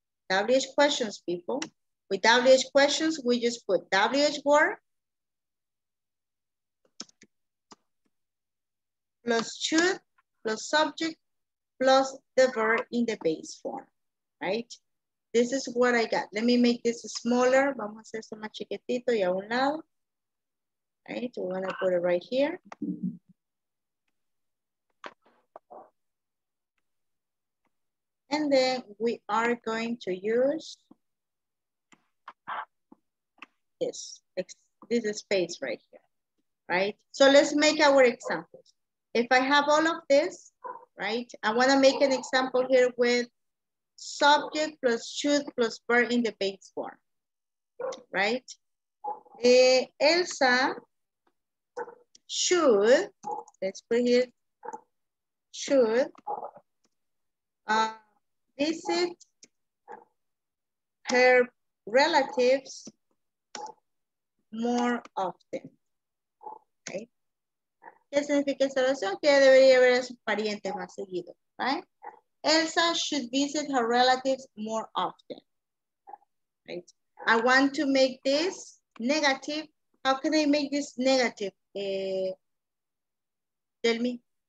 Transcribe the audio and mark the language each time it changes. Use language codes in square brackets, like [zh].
[en] WH questions, people. With WH questions, we just put WH word plus should, plus subject, plus the verb in the base form, right? This is what I got. Let me make this smaller. [es] Vamos a hacer esto más chiquitito y a un lado. [en] Right, we're gonna put it right here. And then we are going to use this, this space right here, right? So let's make our examples. If I have all of this, right? I wanna make an example here with subject plus should plus verb in the base form, right? Elsa should, let's put here, should visit her relatives more often, right? [es] ¿Qué significa esta oración? Que debería ver a sus parientes más seguido, [en] right? Elsa should visit her relatives more often, right? I want to make this negative. How can I make this negative? Tell me.